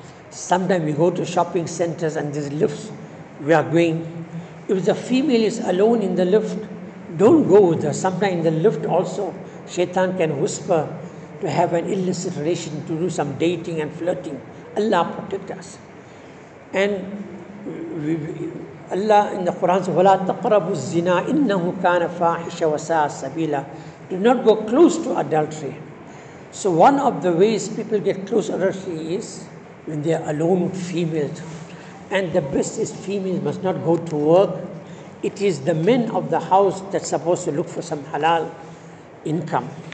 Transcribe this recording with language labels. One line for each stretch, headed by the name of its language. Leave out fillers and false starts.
English: Sometimes we go to shopping centers and these lifts we are going. If the female is alone in the lift, don't go with her. Sometimes in the lift also, shaitan can whisper to have an illicit relation, to do some dating and flirting. Allah protect us. And Allah in the Quran says,
Arabic: وَلَا تَقْرَبُوا الزِّنَا إِنَّهُ كَانَ فَاحِشَ وَسَاءَ سَبِيلًا.
English: Do not go close to adultery. So one of the ways people get close to adultery is when they are alone with females. And the best is females must not go to work. It is the men of the house that's supposed to look for some halal income.